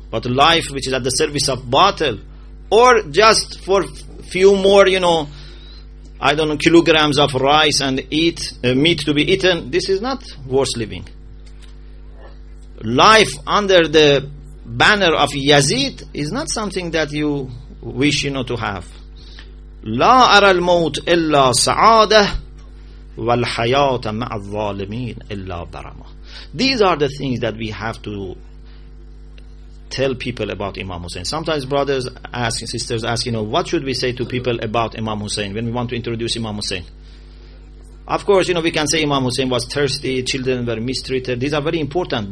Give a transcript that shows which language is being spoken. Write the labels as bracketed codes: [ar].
[en] But life which is at the service of batil, or just for few more, you know, I don't know, kilograms of rice and meat to be eaten, this is not worth living. Life under the banner of Yazid is not something that you wish, you know, to have. [ar] لا أرى الموت إلا سعادة والحياة مع الظالمين إلا برمة. [en] These are the things that we have to tell people about Imam Hussein. Sometimes brothers ask, sisters ask, you know, what should we say to people about Imam Hussein when we want to introduce Imam Hussein? Of course, you know, we can say Imam Hussein was thirsty, children were mistreated. These are very important.